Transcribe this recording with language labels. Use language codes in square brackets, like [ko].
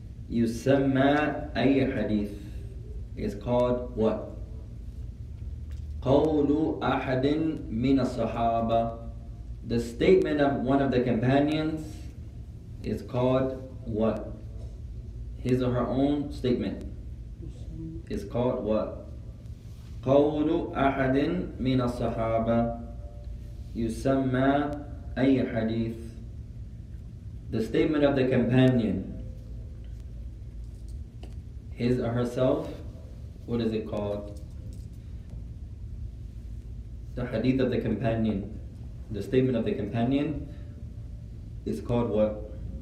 [ar] يسمى أي حديث [en] is called what? [ar] قول أحد من الصحابة. [en] The statement of one of the companions is called what? His or her own statement is called what? [ar] قول أحد من الصحابة يسمى أي حديث. [en] The statement of the companion, his or herself, what is it called? The hadith of the companion. The statement of the companion is called what?